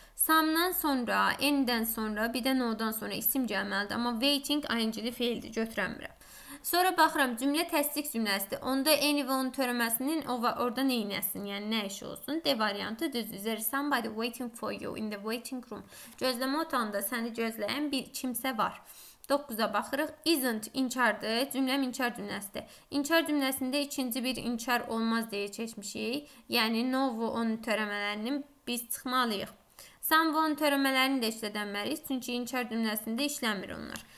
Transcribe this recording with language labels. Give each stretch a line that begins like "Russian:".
Azerbaijani: Sam'dan sonra, n-dən sonra, bir də no-dan sonra isim gəlməlidir. Amma waiting ing-li feildir, götürəmirəm. Sonra baxıram, cümlə təsdiq cümləsidir. Onda any və onun törəməsinin orada neynəsin, yəni nə iş olsun? D variantı düzdür.
English: There is somebody waiting for you in the waiting room.
Azerbaijani: Gözləmə otağında səni gözləyən bir kimsə var. 9-a baxırıq. Isn't inkardır. Cümləm inkar cümləsidir. İnkar cümləsində ikinci bir inkar olmaz deyə keçmişik. Yəni no və onun törəmələrinin biz çıxmalıyıq. Sam və onun törəmələrini də işlədənməliyik. Çünki inkar cümləsində işləmir onlar.